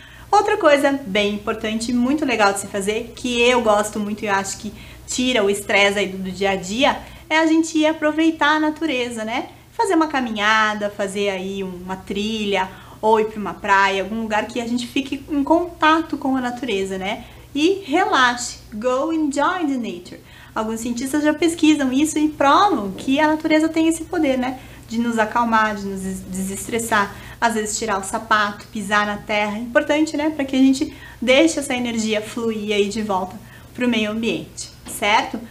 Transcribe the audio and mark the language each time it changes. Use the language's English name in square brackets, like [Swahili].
[Portuguese] Outra coisa bem importante, muito legal de se fazer, que eu gosto muito e acho que tira o estresse aí do dia a dia, é a gente ir aproveitar a natureza, né? Fazer uma caminhada, fazer aí uma trilha, ou ir para uma praia, algum lugar que a gente fique em contato com a natureza, né? E relaxe, [English] go enjoy the nature. [Portuguese] Alguns cientistas já pesquisam isso e provam que a natureza tem esse poder, né? De nos acalmar, de nos desestressar, às vezes tirar o sapato, pisar na terra. Importante, né? Para que a gente deixe essa energia fluir aí de volta para o meio ambiente, certo?